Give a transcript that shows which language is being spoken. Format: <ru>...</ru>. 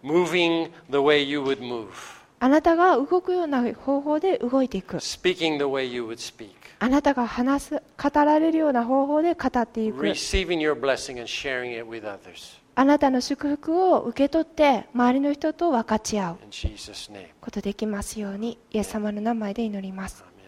<en>Moving the way you would move.</en> <ja>あなたが動くような方法で動いていく。</ja> <en>Speaking the way you would speak.</en> <ja>あなたが話す、語られるような方法で語っていく。</ja> <en>Receiving your blessing and sharing it with others.</en> <ja>あなたの祝福を受け取って周りの人と分かち合う。</ja> <en>In Jesus' name.</en> <ja>ことできますように、イエス様の名前で祈ります。</ja>